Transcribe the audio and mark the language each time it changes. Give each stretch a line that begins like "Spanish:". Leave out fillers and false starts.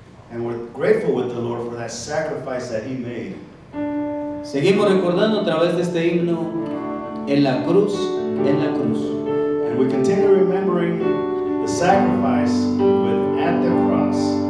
English: And we're grateful with the Lord for that sacrifice that he made.
Spanish: Seguimos recordando a través de este himno, en la cruz, en la cruz.
English: And we continue remembering the sacrifice with at the cross.